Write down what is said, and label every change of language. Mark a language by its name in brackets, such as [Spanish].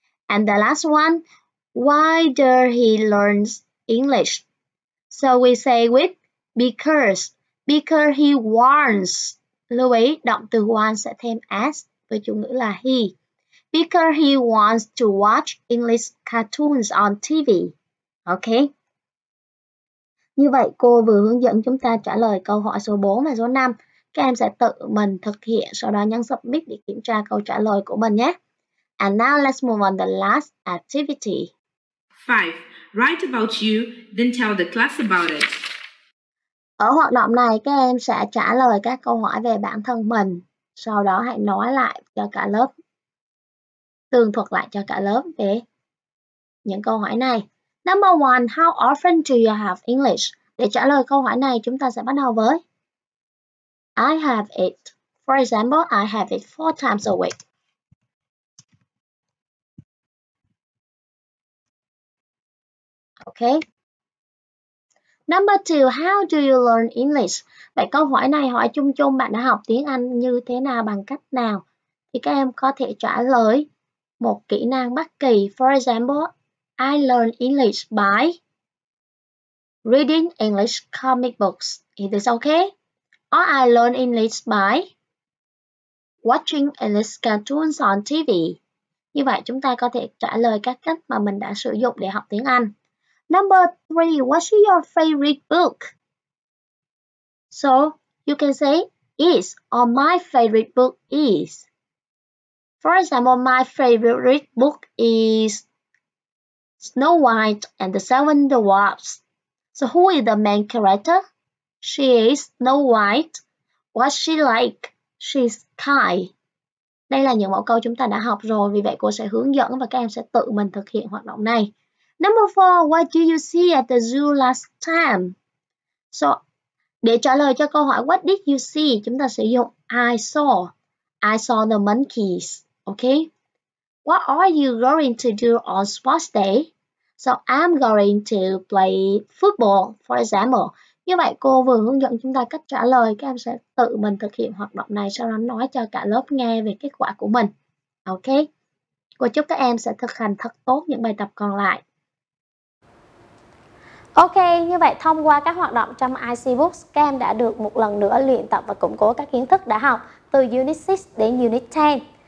[English] And the last one, why does he learn English? So we say with because he wants. [Vietnamese] Louis đọc từ want sẽ thêm s với chủ ngữ là he. [English] Because he wants to watch English cartoons on TV. Ok. [Vietnamese] Như vậy cô vừa hướng dẫn chúng ta trả lời câu hỏi số 4 và số 5. Các em sẽ tự mình thực hiện, sau đó nhấn submit để kiểm tra câu trả lời của mình nhé. [English] And now let's move on to the last activity. 5. Write about you, then tell the class about it. [Vietnamese] Ở hoạt động này, các em sẽ trả lời các câu hỏi về bản thân mình, sau đó hãy nói lại cho cả lớp, tường thuật lại cho cả lớp về những câu hỏi này. [English] Number 1. How often do you have English? [Vietnamese] Để trả lời câu hỏi này, chúng ta sẽ bắt đầu với [English] I have it. For example, I have it 4 times a week. Okay. Number 2, how do you learn English? [Vietnamese] Vậy câu hỏi này hỏi chung chung bạn đã học tiếng Anh như thế nào, bằng cách nào? Thì các em có thể trả lời một kỹ năng bất kỳ. [English] For example, I learn English by reading English comic books. It is okay. Or I learn English by watching English cartoons on TV. [Vietnamese] Như vậy chúng ta có thể trả lời các cách mà mình đã sử dụng để học tiếng Anh. [English] Number 3, what's your favorite book? So, you can say is or my favorite book is. For example, my favorite book is Snow White and the Seven Dwarfs. So, who is the main character? She is Snow White. What's she like? She's kind. [Vietnamese] Đây là những mẫu câu chúng ta đã học rồi, vì vậy cô sẽ hướng dẫn và các em sẽ tự mình thực hiện hoạt động này. [English] Number 4, what did you see at the zoo last time? So, [Vietnamese] để trả lời cho câu hỏi what did you see, chúng ta sử dụng [English] I saw the monkeys, okay? What are you going to do on sports day? So, I'm going to play football, for example. [Vietnamese] Như vậy, cô vừa hướng dẫn chúng ta cách trả lời, các em sẽ tự mình thực hiện hoạt động này, sau đó nói cho cả lớp nghe về kết quả của mình, okay? Cô chúc các em sẽ thực hành thật tốt những bài tập còn lại. Ok, như vậy thông qua các hoạt động trong IC Books, các em đã được một lần nữa luyện tập và củng cố các kiến thức đã học từ Unit 6 đến Unit 10.